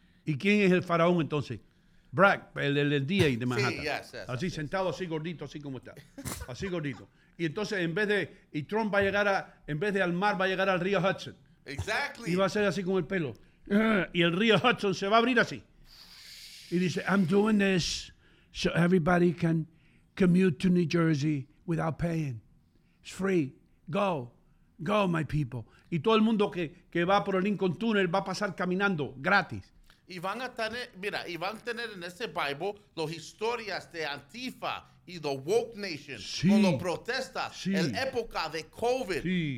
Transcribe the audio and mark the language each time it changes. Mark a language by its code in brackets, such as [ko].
[es] ¿Y quién es el faraón entonces? Brack, el DA de Manhattan. Sí, [en] yes. [es] Así [en] yes, [es] sentado, [en] yes. [es] Así gordito, así como está. Así gordito. Y entonces y Trump va a llegar en vez de al mar, va a llegar al río Hudson. [en] Exactly. [es] Y va a ser así con el pelo. Y el río Hudson se va a abrir así. Y dice, [en] I'm doing this so everybody can commute to New Jersey without paying. It's free. Go, my people. [es] Y todo el mundo que va por el Lincoln Tunnel va a pasar caminando gratis. Y van a tener, en ese Bible las historias de Antifa y [en] the woke nation, [es] sí, con las protestas, sí, en época de COVID. Sí.